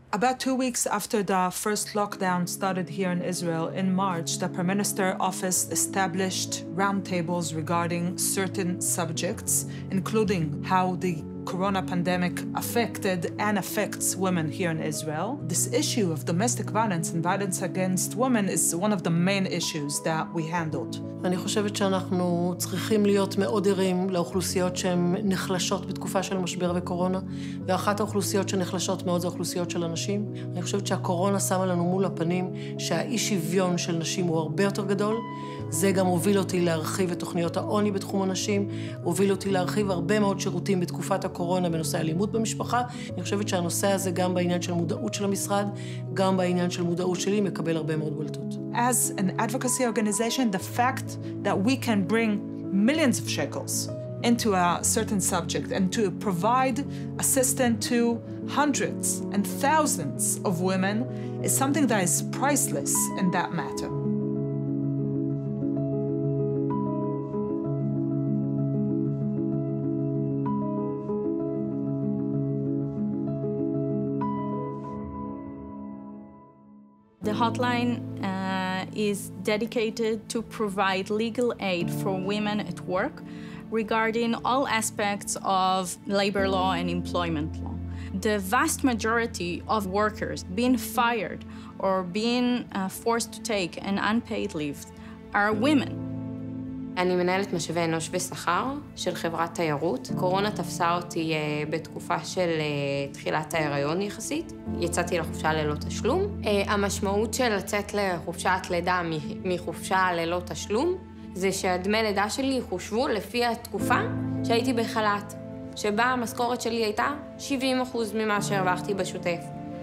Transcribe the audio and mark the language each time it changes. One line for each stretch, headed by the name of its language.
English: About 2 weeks after the first lockdown started here in Israel, in March, the Prime Minister's office established roundtables regarding certain subjects, including how the corona pandemic affected and affects women here in Israel. This issue of domestic violence and violence against women is one of the main issues that we handled.
Hebrew: אני חושבת שאנחנו צריכים להיות מאוד ערים לאוכלוסיות שהן נחלשות בתקופה של משבר וקורונה, ואחת האוכלוסיות שנחלשות מאוד זה אוכלוסיות של אנשים. אני חושבת שהקורונה שמה לנו מול הפנים שהאי שוויון של נשים הוא הרבה יותר גדול. זה גם הוביל אותי להרחיב את תוכניות העוני בתחום הנשים, הוביל אותי להרחיב הרבה מאוד שירותים בתקופה הקורונה בנושא אלימות במשפחה. אני חושבת שהנושא הזה גם בעניין של מודעות של המשרד, גם בעניין של מודעות שלי, מקבל הרבה מאוד בולטות.
English: As an advocacy organization, the fact that we can bring millions of shekels into a certain subject and to provide assistance to hundreds and thousands of women is something that is priceless in that matter. Hotline is dedicated to provide legal aid for women at work regarding all aspects of labor law and employment law. The vast majority of workers being fired or being forced to take an unpaid leave are women.
Hebrew: אני מנהלת משאבי אנוש ושכר של חברת תיירות. קורונה תפסה אותי בתקופה של תחילת ההיריון יחסית. יצאתי לחופשה ללא תשלום. המשמעות של לצאת לחופשת לידה מחופשה ללא תשלום זה שהדמי לידה שלי חושבו לפי התקופה שהייתי בחל"ת, שבה המשכורת שלי הייתה 70% ממה שהרווחתי בשוטף.